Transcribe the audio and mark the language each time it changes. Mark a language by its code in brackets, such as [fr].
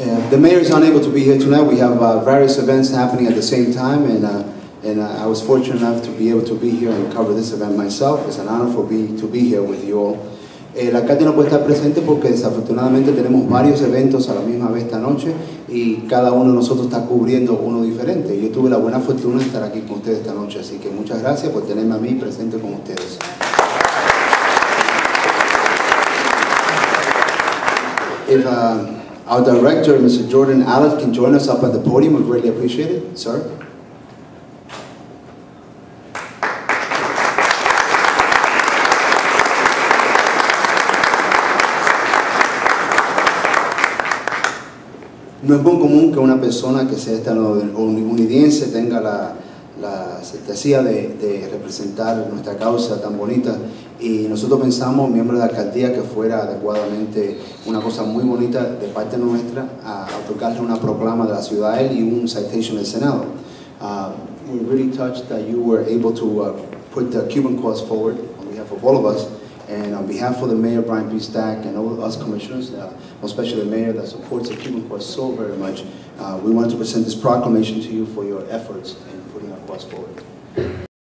[en] The mayor is unable to be here tonight. We have various events happening at the same time, and I was fortunate enough to be able to be here and cover this event myself. It's an honor to be here with you all. [es] El alcalde no puede estar presente porque desafortunadamente tenemos varios eventos a la misma vez esta noche y cada uno de nosotros está cubriendo uno diferente. Yo tuve la buena fortuna de estar aquí con ustedes esta noche, así que muchas gracias por tenerme a mí presente con ustedes. [en] If our director, Mr. Jordan Allett, can join us up at the podium, we'd greatly appreciate it, sir. [es] No es muy común que una persona que sea estadounidense tenga la certeza de representar nuestra causa tan bonita. Y nosotros pensamos, miembros de la alcaldía, que fuera adecuadamente una cosa muy bonita de parte nuestra a otorgarle una proclama de la ciudad a él y un citation del Senado. [en] We're really touched that you were able to put the Cuban cause forward on behalf of all of us. And on behalf of the mayor, Brian P. Stack, and all of us commissioners, especially the mayor that supports the Cuban cause so very much, we want to present this proclamation to you for your efforts in putting our cause forward.